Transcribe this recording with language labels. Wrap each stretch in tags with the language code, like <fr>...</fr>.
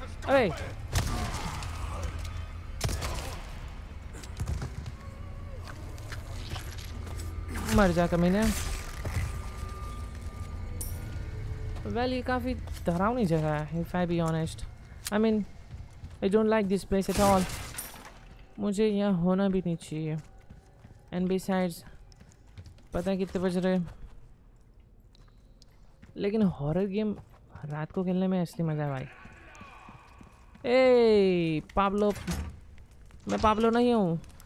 <en>Hey.</en> <hi>मर जा कमीने. Well, ये काफी डरावनी जगह है.</hi> <en>If I be honest, I mean, I don't like this place at all.</en> <hi>मुझे यहाँ होना भी नहीं चाहिए.</hi> <en>And besides,</en> <hi>पता है कितने बज रहे. लेकिन हॉरर गेम रात को खेलने में असली मजा है भाई.</hi> <en>Hey, Pablo.</en> <hi>मैं पाब्लो नहीं हूँ.</hi>